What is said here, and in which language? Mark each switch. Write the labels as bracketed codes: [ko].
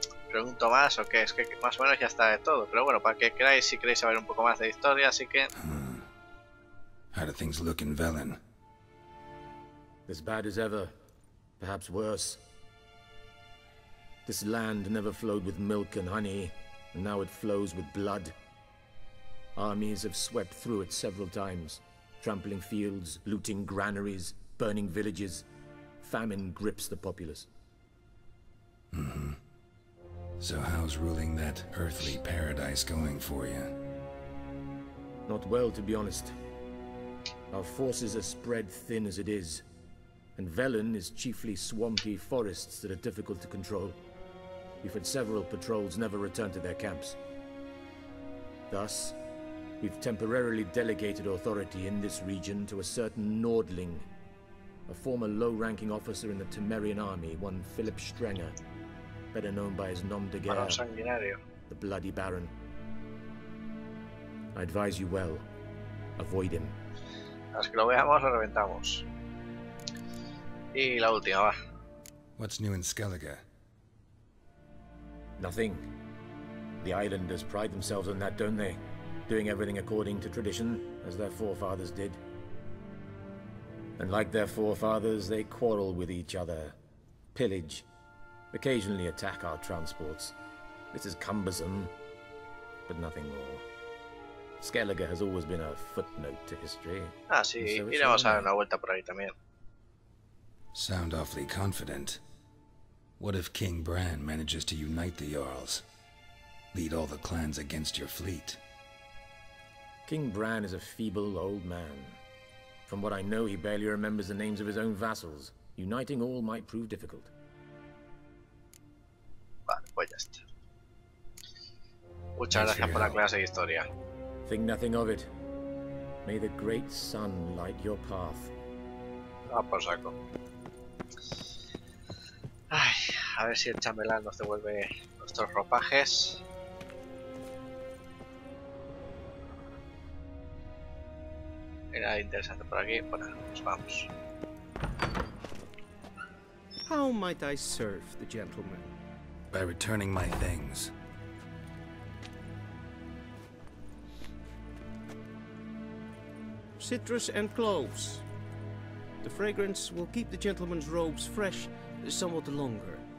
[es] Pregunto más, o qué, es que más o menos ya está de todo, pero bueno, para que queráis, si queréis saber un poco más de historia, así que... [en] How do things look in Velen? As bad as ever, perhaps worse. This land never flowed with milk and honey, and now it flows with blood. Armies have swept through it several times, trampling fields, looting granaries, burning villages. Famine grips the populace. So how's ruling that earthly paradise going for you? Not well, to be honest. Our forces are spread thin as it is, and Velen is chiefly swampy forests that are difficult to control. We've had several patrols never return to their camps. Thus, we've temporarily delegated authority in this region to a certain Nordling, a former low-ranking officer in the Temerian army, one Philip Strenger. Better known by his nom de guerre, the Bloody Baron. I advise you well. Avoid him. [es] Las que lo veamos, lo reventamos. Y la última, va. [en] What's new in Skellige? Nothing. The islanders pride themselves on that, don't they? Doing everything according to tradition, as their forefathers did. And like their forefathers, they quarrel with each other. Pillage. Occasionally attack our transports. This is cumbersome, but nothing more. Skellige has always been a footnote to history. [es] Ah, sí, iremos a dar una vuelta por ahí también. [en] Sound awfully confident. What if King Bran manages to unite the Jarls? Lead all the clans against your fleet? King Bran is a feeble old man. From what I know, he barely remembers the names of his own vassals. Uniting all might prove difficult. [es] Muchas gracias por la clase de historia. [en] Think nothing of it. May the great sun light your path. [es] Ah, por saco. Ay, a ver si el chambelán nos devuelve nuestros ropajes. Era interesante por aquí. Bueno, pues vamos. [en] How might I serve the gentleman? By returning my things. Citrus and cloves. The fragrance will keep the gentleman's robes fresh somewhat longer.